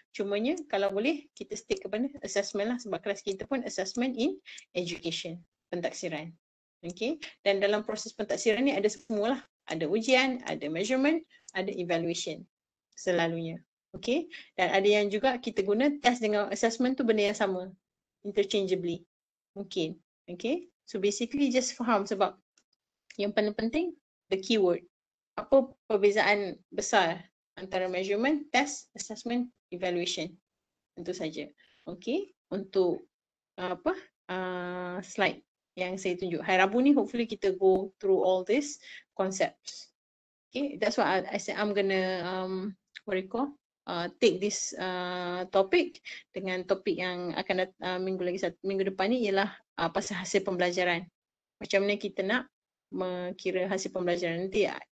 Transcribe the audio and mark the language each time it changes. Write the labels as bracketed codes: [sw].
[ms] Cumanya kalau boleh kita stick kepada assessment lah. Sebab kelas kita pun assessment in education. Pentaksiran. Okay. Dan dalam proses pentaksiran ni ada semua lah. Ada ujian, ada measurement, ada evaluation. Selalunya. Okay. Dan ada yang juga kita guna test dengan assessment tu benda yang sama. Interchangeably. Mungkin. Okay. [en] So basically just [ms] faham sebab yang paling penting the keyword. Apa perbezaan besar antara measurement, test, assessment, evaluation. Itu saja. Okay. Untuk apa slide yang saya tunjuk. Hari Rabu ni hopefully kita [en] go through all these concepts. [ms] Okay. [en] That's why I said I'm going to what do you call? [ms] Take this topic dengan topik yang akan minggu lagi satu, minggu depan ni ialah pasal hasil pembelajaran. Macam mana kita nak mengira hasil pembelajaran nanti.